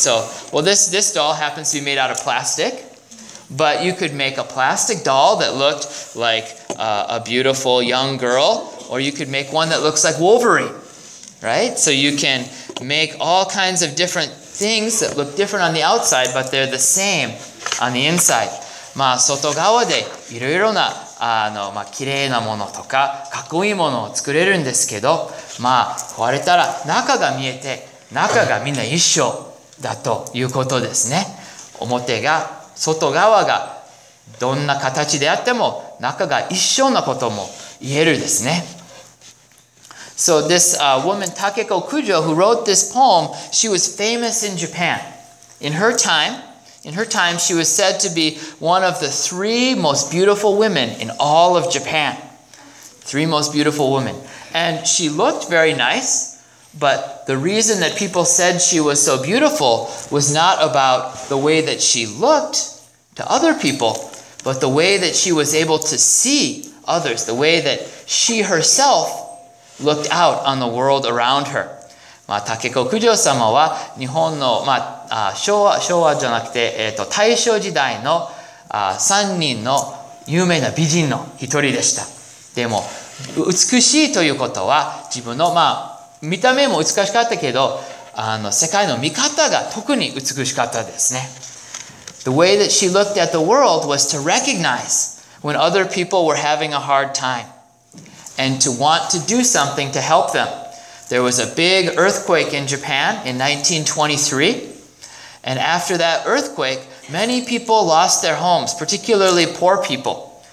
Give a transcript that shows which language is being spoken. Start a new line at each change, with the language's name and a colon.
English: So, well, this doll happens to be made out of plastic. But you could make a plastic doll that looked like a beautiful young girl, or you could make one that looks like Wolverine, right? So you can make all kinds of different things that look different on the outside, but they're the same on the inside.
Japanese: まあ外側でいろいろなあのまあ綺麗なものとかかっこいいものを作れるんですけど、まあ壊れたら中が見えて中がみんな一緒だということですね。表が外側がどんな形であっても中が一緒なことも言えるですね。
English: So this woman Takeko Kujo, who wrote this poem, she was famous in Japan. In her time, she was said to be one of the three most beautiful women in all of Japan. Three most beautiful women. And she looked very nice, but the reason that people said she was so beautiful was not about the way that she looked to other people, but the way that she was able to see others, the way that she herself looked out on the world around her.
Japanese: まあ、Takeko Kujo-sama は日本の、まあ、昭和じゃなくて、大正時代の、3人の有名な美人の一人でした。でも、美しいということは自分の、まあ、見た目も美しかったけど、世界の見方が特に美しかったですね。
English: The way that she looked at the world was to recognize when other people were having a hard time and to want to do something to help them. There was a big earthquake in Japan in 1923. And after that earthquake, many people lost their homes, particularly poor people.